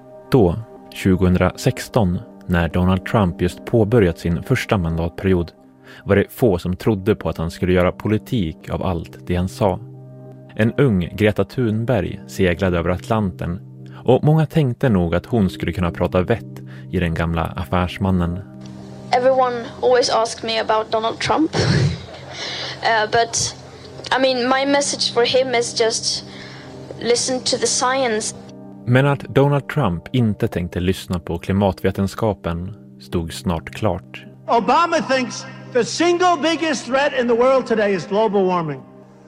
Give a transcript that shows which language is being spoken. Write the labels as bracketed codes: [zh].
[sv] Då, 2016, när Donald Trump just påbörjat sin första mandatperiod, var det få som trodde på att han skulle göra politik av allt det han sa. En ung Greta Thunberg seglade över Atlanten och många tänkte nog att hon skulle kunna prata vett i den gamla affärsmannen. [en] Everyone always asked me about Donald Trump. But I mean my message for him is just listen to the science. [sv] Men att Donald Trump inte tänkte lyssna på klimatvetenskapen stod snart klart. [en] Obama thinks the single biggest threat in the world today is global warming.